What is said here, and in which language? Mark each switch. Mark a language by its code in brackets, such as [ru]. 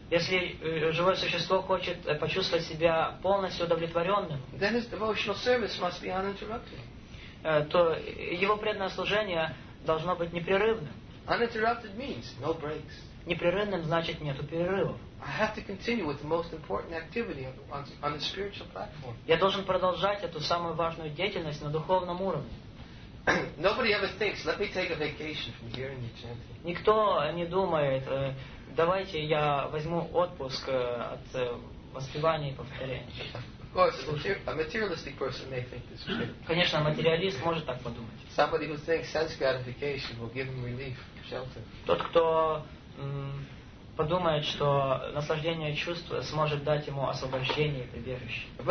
[ru] если живое существо хочет почувствовать себя полностью удовлетворенным, [en] then his devotional service must be uninterrupted. [ru] То его преданное служение должно быть непрерывным. [en] Uninterrupted means no breaks. [ru] Непрерывным значит нету перерывов. [en] I have to continue with the most important activity on the spiritual platform. [ru] Я должен продолжать эту самую важную деятельность на духовном уровне. [en] Nobody ever thinks, let me take a vacation from hearing your chanting. [ru] Никто не думает, давайте я возьму отпуск от воспевания и повторения. [en] Of course, a materialistic person may think this way. [ru] Конечно, материалист может так подумать. [en] Somebody who thinks sense gratification will give him relief, shelter. [ru] Тот, кто подумает, что наслаждение чувств сможет дать ему освобождение и прибежище.